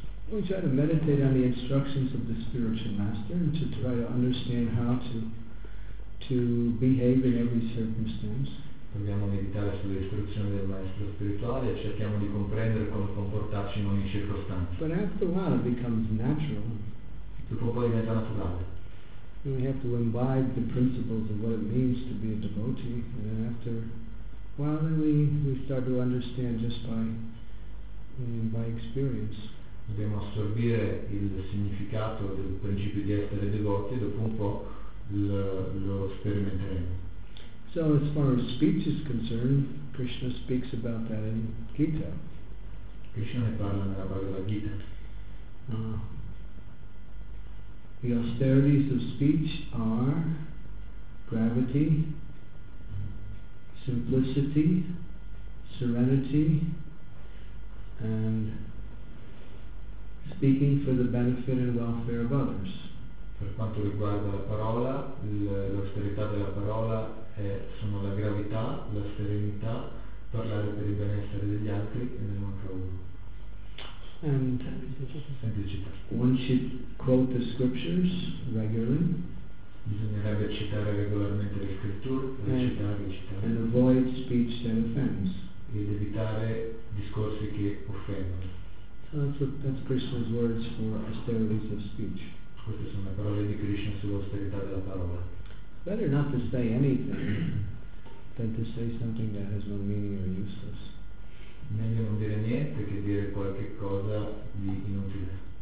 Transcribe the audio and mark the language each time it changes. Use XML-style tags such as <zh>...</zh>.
<en>We try to meditate on the instructions of the spiritual master and to try to understand how to behave in every circumstance.</en> <it>Proviamo a meditare sulle istruzioni del maestro spirituale e cerchiamo di comprendere come comportarci in ogni circostanza.</it> <en>But after a while it becomes natural.</en> <it>Dopo un po' diventa naturale.</it> <en>And we have to imbibe the principles of what it means to be a devotee, and then after a while then we start to understand just by experience.</en> <it>Dobbiamo assorbire il significato del principio di essere devoti e dopo un po' lo sperimenteremo.</it> <en>So as far as speech is concerned, Krishna speaks about that in Gita.</en> <it>Krishna ne parla nella Bhagavad Gita.</it> <en>The austerities of speech are gravity, simplicity, serenity, and speaking for the benefit and welfare of others.</en> <it>Per quanto riguarda la parola, l'austerità della parola sono la gravità, la serenità, parlare per il benessere degli altri e ne manca uno.</it> <en>And</en> <it>semplicità.</it> <en>One should quote the scriptures regularly.</en> <it>Bisognerebbe citare regolarmente le scritture, recitare.</it> <en>And avoid speech that offends.</en> <it>Ed evitare discorsi che offendono.</it> <en>So that's Krishna's words for austerities of speech.</en> <it>Queste sono le parole di Krishna sull'austerità della parola.</it> <en>Better not to say anything than to say something that has no meaning or useless.</en> <it>Meglio non dire niente che dire qualche cosa di inutile.</it>